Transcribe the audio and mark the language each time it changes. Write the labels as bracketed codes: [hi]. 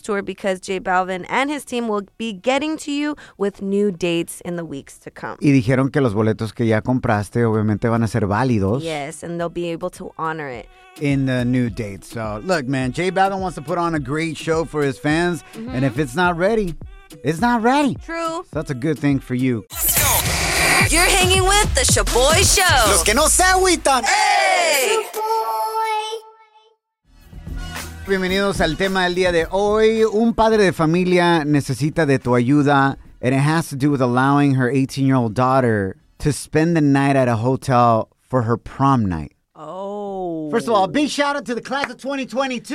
[en] tour because J Balvin and his team will be getting to you with new dates in the weeks to come. [es] Y dijeron que los boletos que ya compraste obviamente van a ser válidos. [en] Yes, and they'll be able to honor it. In the new date. So, look, man, J Balvin wants to put on a great show for his fans. Mm-hmm. And if it's not ready, it's not ready. True. So that's a good thing for you. You're hanging with the Shaboy Show. [es] Los que no se agüitan. Hey! Shaboy! Bienvenidos al tema del día de hoy. Un padre de familia necesita de tu ayuda. [en] And it has to do with allowing her 18-year-old daughter to spend the night at a hotel for her prom night. Oh. First of all, big shout out to the class of 2022.